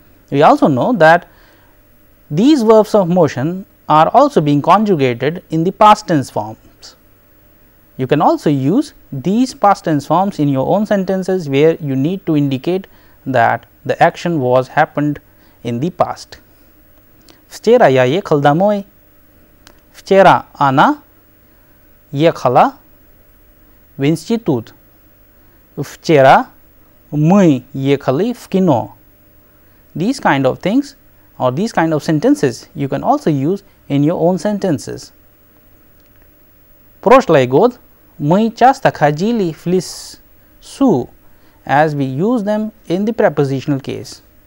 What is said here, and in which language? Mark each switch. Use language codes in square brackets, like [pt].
[en] We also know that these verbs of motion are also being conjugated in the past tense forms. You can also use these past tense forms in your own sentences, where you need to indicate that the action was happened in the past. [ru] Вчера я ехал домой. Вчера она ехала в институт. Вчера мы ехали в кино. [en] These kind of things, or these kind of sentences, you can also use in your own sentences. [ru] Прошлый год мы часто ходили в лесу, [en] as we use them in the prepositional case.